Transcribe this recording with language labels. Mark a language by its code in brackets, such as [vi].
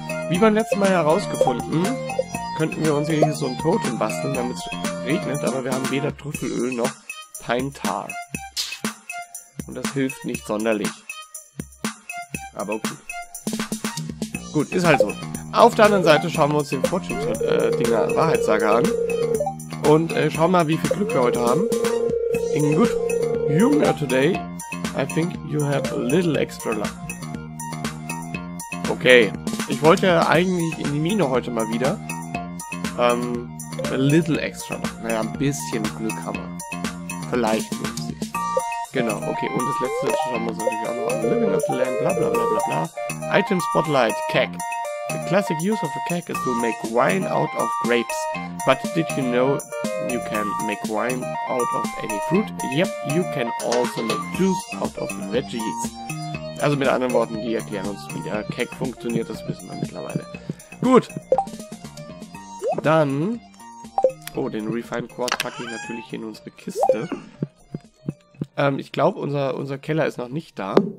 [de] Wie beim letzten Mal herausgefunden, könnten wir uns hier so ein Totem basteln, damit es regnet, aber wir haben weder Trüffelöl noch Pine Tar. Und das hilft nicht sonderlich. Aber okay. Gut, ist halt so. Auf der anderen Seite schauen wir uns den Fortune-Dinger Wahrheitssager an. Und schauen mal, wie viel Glück wir heute haben. [en] In good humor today, I think you have a little extra luck. Okay. [de] Ich wollte ja eigentlich in die Mine heute mal wieder. [en] A little extra luck. [de] Naja, ein bisschen Glück haben wir. Vielleicht muss ich. Genau, okay. Und das letzte schauen wir uns natürlich auch noch an. [en] Living of the land, bla bla bla bla bla. Item Spotlight, Keg. The classic use of a keg is to make wine out of grapes. But did you know you can make wine out of any fruit? Yep, you can also make juice out of veggies. [de] Also mit anderen Worten, die erklären uns, wie der Keg funktioniert, das wissen wir mittlerweile. Gut. Dann... Oh, den Refined Quartz packe ich natürlich hier in unsere Kiste. Ich glaube, unser Keller ist noch nicht da.